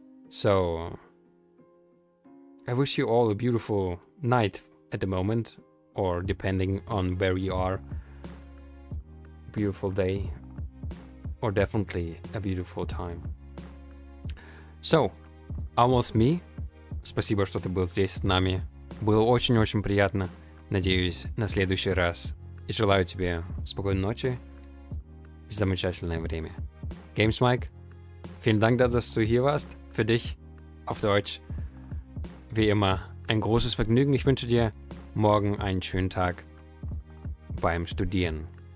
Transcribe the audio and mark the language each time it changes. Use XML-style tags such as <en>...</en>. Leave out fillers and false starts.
<en>So, I wish you all a beautiful night at the moment, or depending on where you are, beautiful day, or definitely a beautiful time. So, almost me.</en> <ru>Спасибо, что ты был здесь с нами. Было очень-очень приятно. Надеюсь, на следующий раз. И желаю тебе спокойной ночи и замечательное время.</ru> <de>Games Mike, vielen Dank, dass du hier warst. Für dich, auf Deutsch, wie immer, ein großes Vergnügen. Ich wünsche dir morgen einen schönen Tag beim Studieren.</de>